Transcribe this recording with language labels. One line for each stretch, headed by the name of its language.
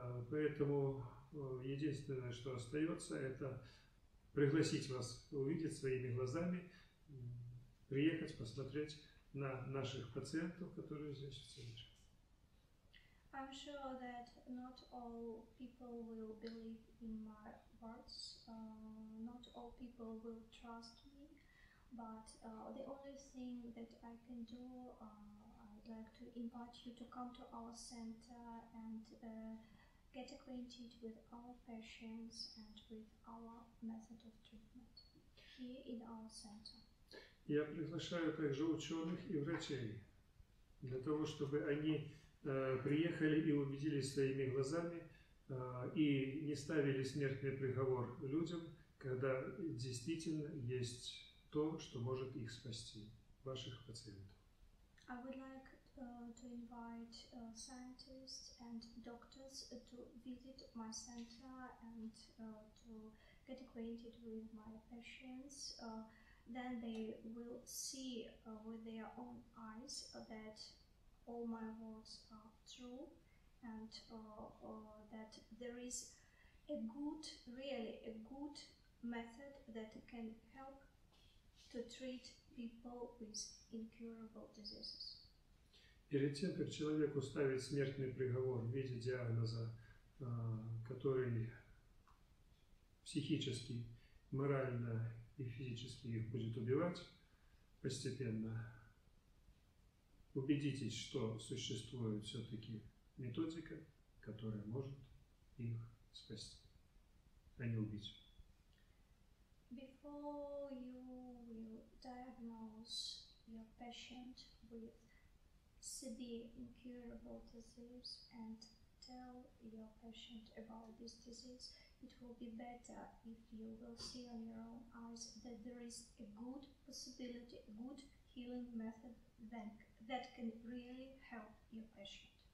Russian: Поэтому единственное, что остается, это пригласить вас увидеть своими глазами, приехать посмотреть на наших пациентов, которые здесь в центре.
English: I'm sure that not all people will believe in my words, not all people will trust me, but the only thing that I can do, I'd like to invite you to come to our center and get acquainted with our patients and with our method of treatment here in our center.
Russian: Я приглашаю также ученых и врачей для того, чтобы они приехали и убедились своими глазами и не ставили смертный приговор людям, когда действительно есть то, что может их спасти, ваших пациентов.
English: I would like to invite scientists and doctors to visit my center and to get acquainted with my patients. Then they will see with their own eyes that all my words are true, and that there is a good, really a good method that can help to treat people with incurable diseases.
Russian: Перед тем, как человеку ставить смертный приговор в виде диагноза, который психически, морально и физически их будет убивать постепенно, убедитесь, что существует все-таки методика, которая может их спасти, а не убить.
English: Before you will diagnose your patient with severe incurable disease and tell your patient about this disease, it will be better if you will see on your own eyes that there is a good possibility, a good healing method that can really help your patient.